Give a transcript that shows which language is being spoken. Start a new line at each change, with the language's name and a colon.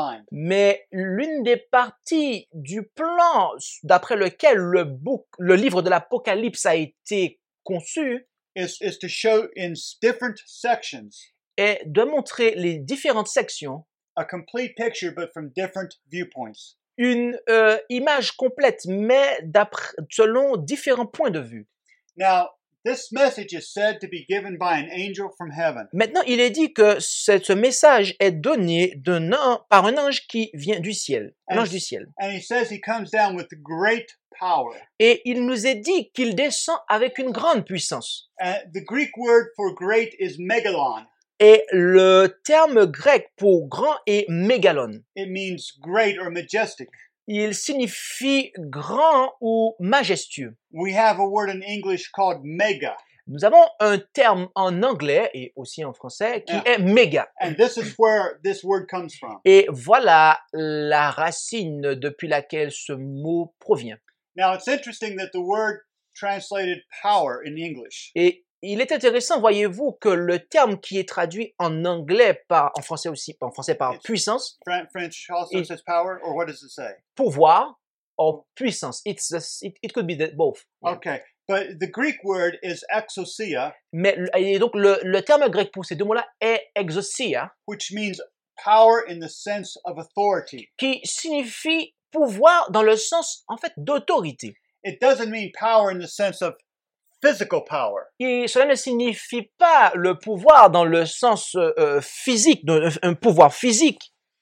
French: Mais l'une des parties du plan d'après lequel le livre de l'Apocalypse a été conçu
English: is to show in different sections
French: est de montrer les différentes sections
English: a complete picture, but from different viewpoints.
French: Une image complète, mais selon différents points de vue.
English: Now, this message is said to be given by an angel from heaven.
French: Maintenant, il est dit que ce message est donné par un ange qui vient du ciel, l'ange du ciel.
English: And he says he comes down with great power.
French: Et il nous est dit qu'il descend avec une grande puissance.
English: The Greek word for great is megalon.
French: Et le terme grec pour grand est mégalon.
English: It means great or majestic.
French: Il signifie grand ou majestueux.
English: We have a word in English called mega.
French: Nous avons un terme en anglais et aussi en français qui est méga.
English: And this is where this word comes from.
French: Et voilà la racine depuis laquelle ce mot provient.
English: Now it's interesting that the word translated power in English.
French: Et Il est intéressant, voyez-vous, que le terme qui est traduit en anglais par, en français aussi, en français par it's puissance,
English: French also it, says power, or what does it say? Pouvoir, or puissance. It could be the, both. Okay, yeah. But the Greek word is exousia.
French: Mais et donc le terme grec pour ces deux mots-là est exousia,
English: which means power in the sense of authority.
French: Qui signifie pouvoir dans le sens en fait d'autorité.
English: It doesn't mean power in the sense of physical power.
French: Et cela ne signifie pas le pouvoir dans le sens physique, un pouvoir physique.